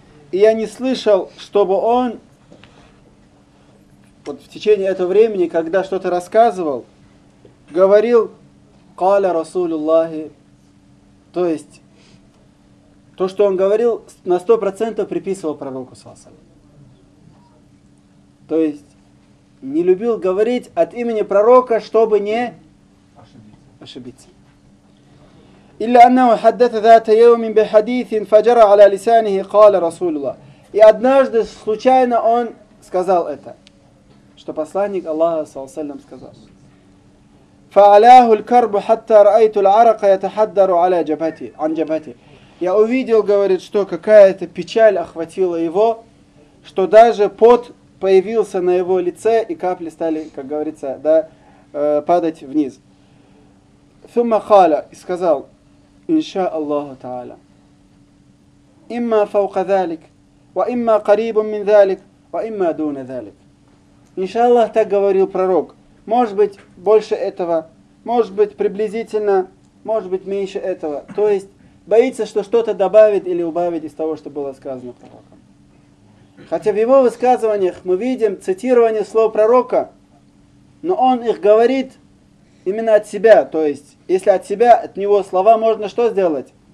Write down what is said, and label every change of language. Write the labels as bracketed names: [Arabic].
[Russian] И я не слышал, чтобы он вот в течение этого времени, когда что-то рассказывал, говорил «Каля Расулюллахи», то есть то, что он говорил, на 100% приписывал пророку саллаллаху алейхи ва саллям. То есть не любил говорить от имени пророка, чтобы не ошибиться. [Arabic] إلا أنه حدث ذات يوم بحديث فجرى على لسانه قال رسول الله. [Russian] И однажды случайно он сказал это, что посланник Аллаха [Arabic] صلى الله عليه وسلم [Russian] сказал. [Arabic] فعلاه الكرب حتى رأيت العرق يتحدر على جبهتي عن جبهتي. [Russian] Я увидел, говорит, что какая-то печаль охватила его, что даже пот появился на его лице и капли стали, как говорится, да, падать вниз. [Arabic] ثم قال, [Russian] и сказал: [Arabic] إنشاء الله تعالى. إما فوق ذلك، وإما قريب من ذلك، وإما دون ذلك. إن شاء الله, [Russian] так говорил пророк. Может быть, больше этого, может быть, приблизительно, может быть, меньше этого. То есть боится, что что-то добавит или убавит из того, что было сказано пророком. Хотя в его высказываниях мы видим цитирование слов пророка, но он их говорит именно от себя, то есть если от себя, от него слова, можно что сделать?